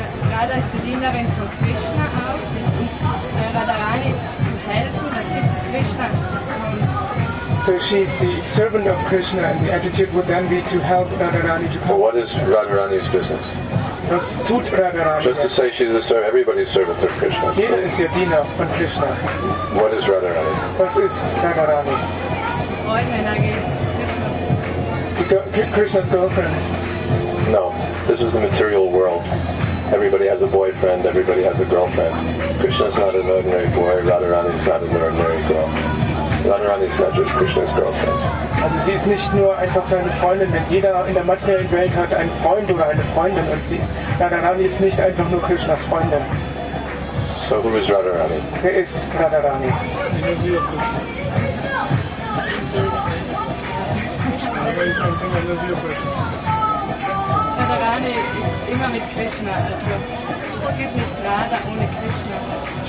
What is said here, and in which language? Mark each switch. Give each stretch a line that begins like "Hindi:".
German: Radha ist die Dienerin von Krishna auch, um Radharani zu helfen, dass sie zu Krishna kommt.
English: So she's the servant of Krishna, and the attitude would then be to help Radharani to come. But what is Radharani's business?
German: Was tut Radharani?
English: Just to say she's everybody's servant of Krishna.
German: Jeder ist ihr Diener von Krishna.
English: What is Radharani?
German: Was ist Radharani? Freundin,
English: Krishna's girlfriend. No, this is the material world. Everybody has a boyfriend, everybody has a girlfriend. Krishna's not an ordinary boy, Radharani's not an ordinary girl. Radharani is not just Krishna's girlfriend.
German: Also sie ist nicht nur einfach seine Freundin, denn jeder in der materiellen Welt hat einen Freund oder eine Freundin und sie ist, Radharani ist nicht einfach nur Krishnas Freundin.
English: So who is Radharani?
German: Wer ist Radharani? Radharani ist immer mit Krishna, also es gibt nicht Radha ohne Krishna.